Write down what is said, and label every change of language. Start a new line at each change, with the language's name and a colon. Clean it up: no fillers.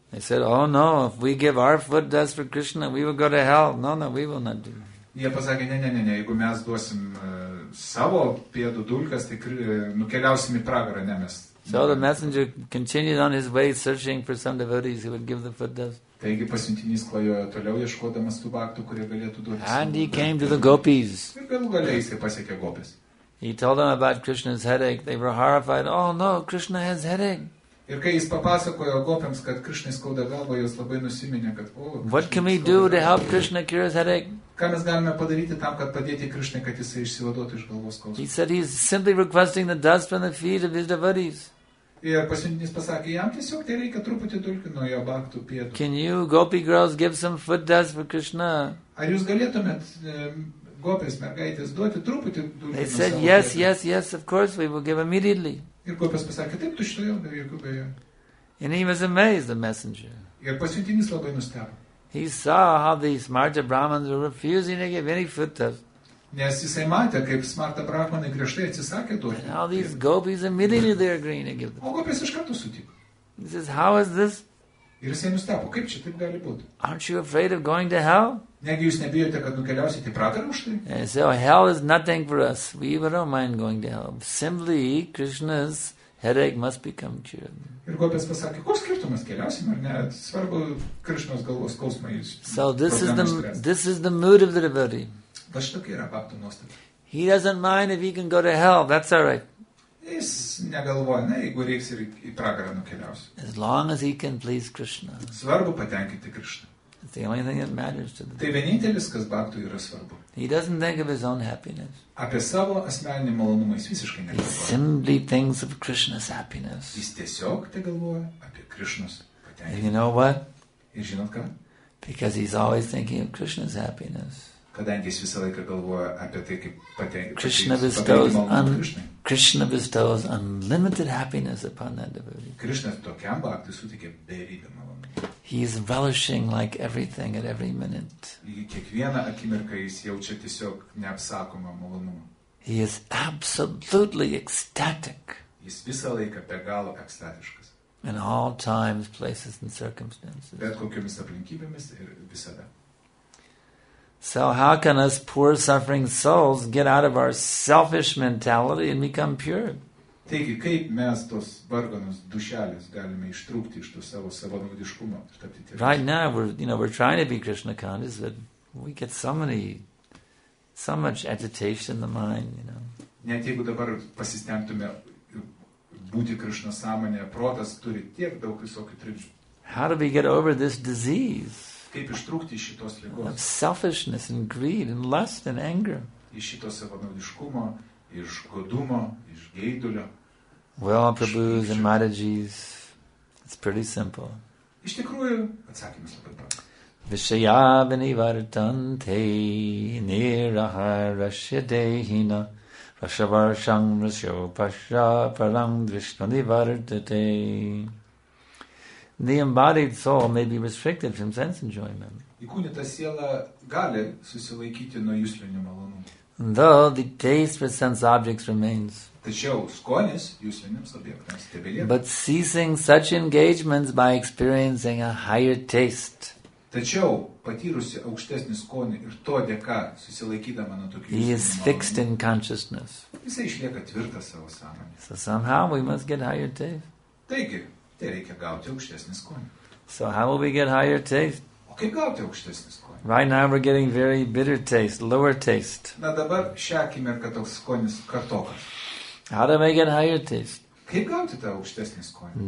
English: They said, oh no, if we give our foot dust for Krishna, we will go to hell. No, we will not do.
Lithuanian: Jie pasakė, ne, jeigu mes duosim savo pėdų dulkės, tai nukeliausim į pragarą, ne mes.
English: So the messenger continued on his way searching for some devotees who would give the foot dust.
Lithuanian: Taigi pasiuntinys klajojo toliau ieškodamas tų baktų, kurie galėtų duoti.
English: And he came to the gopis.
Lithuanian: Ir galų gale jisai pasiekė gopis.
English: He told them about Krishna's headache. They were horrified. Oh no, Krishna has headache.
Lithuanian: Ir kai jis papasakojo gopiams, kad Krishna skauda galvą, jos labai nusiminė, kad
English: What can we do to help Krishna cure his headache?
Lithuanian: Ką mes galime padaryti tam, kad padėti Krishnai, kad jisai išsivaduotų iš galvos skausmo?
English: He said he is simply requesting the dust from the feet of his devotees.
Lithuanian: Ir pasiuntinys pasakė, jam tiesiog tai reikia truputį dulkių nuo jo baktų pėdų.
English: Can you, gopi girls, give some foot dust for Krishna?
Lithuanian: Ar jūs galėtumėt gopis, mergaitės, duoti truputį dulkių nuo savo pėdų?
English: They said, yes, of course, we will give immediately.
Lithuanian: Ir gopis pasakė, taip, tu šito jau, be jokių bejo.
English: And he was amazed, the messenger.
Lithuanian: Ir pasiuntinys labai nustebo.
English: He saw how the smarta brahmins were refusing to give any foot dust.
Lithuanian: Nes jisai matė, kaip smarta brahmanai griežtai atsisakė duoti.
English: And all these gopis immediately they agreed to give them.
Lithuanian: O gopis iš karto sutiko.
English: He says, how is this?
Lithuanian: Ir jisai nustebo, kaip čia taip gali būti?
English: Aren't you afraid of going to hell?
Lithuanian: Negi jūs nebijote, kad nukeliausite į pragarą už tai?
English: And so hell is nothing for us. We even don't mind going to hell. Simply, Krishna's headache must become cured.
Lithuanian: Ir gopis pasakė, koks skirtumas keliausim ar ne? Svarbu Krishnos galvos skausmą jūs.
English: So this is the mood of the devotee.
Lithuanian: Va štokia yra bakto nuostata.
English: He doesn't mind if he can go to hell, that's all right.
Lithuanian: Jis negalvoja, ne, jeigu reiks ir į pragarą nukeliausim.
English: As long as he can please Krishna.
Lithuanian: Svarbu patenkinti Krishna.
English: It's the only thing that matters to the
Lithuanian: Tai vienintelis, kas baktų yra svarbu.
English: He doesn't think of his own happiness.
Lithuanian: Apie savo asmeninį malonumą jis visiškai negalvoja.
English: He simply thinks of Krishna's happiness.
Lithuanian: Jis tiesiog galvoja apie Krishna's patenkinimą.
English: And you know what?
Lithuanian: Ir žinot ką?
English: Because he's always thinking of Krishna's happiness.
Lithuanian: kadangi jis visą laiką galvoja apie tai, kaip
English: Krishna bestows unlimited happiness upon that devotee.
Lithuanian: Krishna tokiam bhakti suteikia beribę malonumą.
English: He is relishing like everything at every minute.
Lithuanian: Kiekvieną akimirką jis jaučia tiesiog neapsakomą malonumą.
English: He is absolutely ecstatic.
Lithuanian: Jis visą laiką be galo ekstatiškas.
English: In all times, places and circumstances.
Lithuanian: Bet kokiomis aplinkybėmis ir visada.
English: So how can us poor suffering souls get out of our selfish mentality and become pure?
Lithuanian: Taigi, kaip mes tos varganos dušelės galime ištrūkti iš to savo savanaudiškumo ir tapti tiesiog.
English: Right now we're trying to be Krishna conscious, but we get so much agitation in the mind, you know.
Lithuanian: Net jeigu dabar pasistengtume būti Krishna sąmonė, protas turi tiek daug visokių trikdžių.
English: How do we get over this disease?
Lithuanian: Kaip ištrūkti iš šitos ligos?
English: Of selfishness and greed and lust and anger.
Lithuanian: Iš šito savanaudiškumo, iš godumo, iš geidulio.
English: Well, Prabhu's and Mataji's, it's pretty simple.
Lithuanian: Iš tikrųjų, atsakymas labai paprastas.
Sanskrit: Vishaya vinivartante niraharashya dehina rashavarsham rasyopasya param vishnanivartate.
English: The embodied soul may be restricted from sense enjoyment.
Lithuanian: Įkūnyta siela gali susilaikyti nuo juslinio malonumo.
English: Though the taste for sense objects remains.
Lithuanian: Tačiau skonis juslinėms objektams tebelieka.
English: But ceasing such engagements by experiencing a higher taste.
Lithuanian: Tačiau patyrusi aukštesnį skonį ir to dėka susilaikydama nuo tokių juslinių malonumų.
English: He is fixed in consciousness.
Lithuanian: Jis išlieka tvirtas savo sąmonėje.
English: So somehow we must get higher taste.
Lithuanian: Taigi. Tai reikia gauti aukštesnį skonį.
English: So how will we get higher taste?
Lithuanian: O kaip gauti aukštesnį skonį?
English: Right now we're getting very bitter taste, lower taste.
Lithuanian: Na dabar šią akimirką toks skonis kartokas.
English: How do we get higher taste?
Lithuanian: Kaip gauti tą aukštesnį skonį?